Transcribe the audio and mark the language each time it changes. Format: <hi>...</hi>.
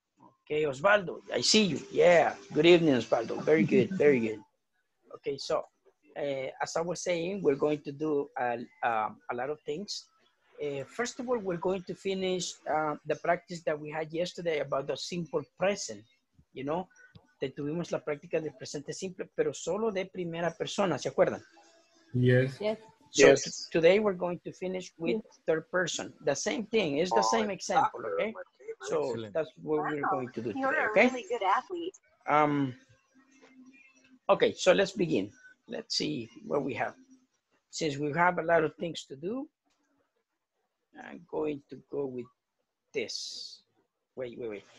<en>Okay, Osvaldo, I see you. Yeah, good evening, Osvaldo. Very good, very good. Okay, so as I was saying, we're going to do a lot of things. First of all, we're going to finish the practice that we had yesterday about the simple present, you know?</en> <es>Te tuvimos la práctica del presente simple, pero solo de primera persona, ¿se acuerdan?</es> <en>Yes. Yes. So yes. Today we're going to finish with third person. The same thing, it's the same example, okay? So excellent. That's what we're going to do You're today, a okay? Really good athlete. Okay, so let's begin. Let's see what we have. Since we have a lot of things to do, I'm going to go with this. Wait, wait, wait.</en>